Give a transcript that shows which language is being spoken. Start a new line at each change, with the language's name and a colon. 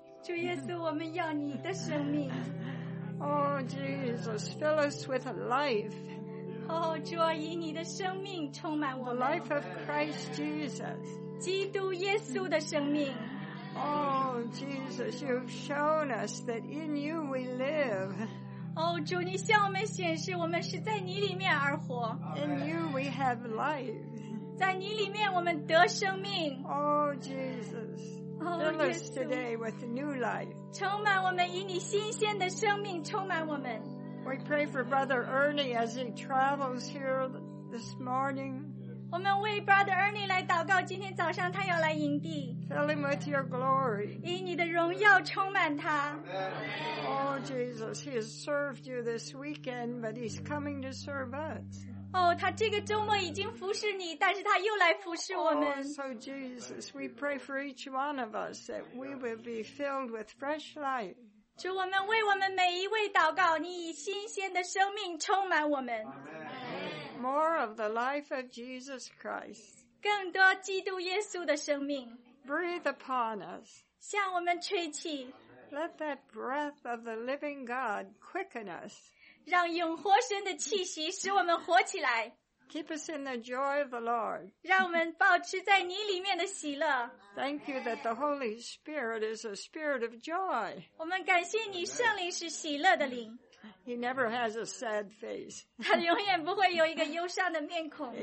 Chinese: 主耶稣，我们要你的生命。
English: Oh, Jesus, fill us with life.
Chinese: Oh, 主啊，以你的生命充满我们。
English: The life of Christ Jesus.
Chinese: 基督耶稣的生命。
English: Oh, Jesus, you've shown us that in you we live.
Chinese: Oh, 主，你向我们显示，我们是在你里面而活。
English: In you we have life.
Chinese: 在你里面我们得生命。
English: Oh, Jesus, fill us today with new life.
Chinese: 充满我们，以你新鲜的生命充满我们。
English: We pray for Brother Ernie as he travels here this morning.
Chinese: 我们为 Brother Ernie 来祷告，今天早上他要来营地。
English: Fill him with your glory.
Chinese: 以你的荣耀充满他。
English: Oh, Jesus, he has served you this weekend, but he's coming to serve us.
Chinese: Oh, 他这个周末已经服侍你，但是他又来服侍我们。
English: Oh, so Jesus, we pray for each one of us that we will be filled with fresh life.
Chinese: 主，我们为我们每一位祷告，你以新鲜的生命充满我们。
English: Amen. More of the life of Jesus Christ.
Chinese: 更多基督耶稣的生命。
English: Breathe upon us.
Chinese: 向我们吹气。
English: Let that breath of the living God quicken us.
Chinese: 让永活神的气息使我们活起来。
English: Keep us in the joy of the Lord.
Chinese: 让我们保持在你里面的喜乐。
English: Thank you that the Holy Spirit is a spirit of joy.
Chinese: 我们感谢你，圣灵是喜乐的灵。
English: He never has a sad face. 他永远不会有一个忧伤的面孔。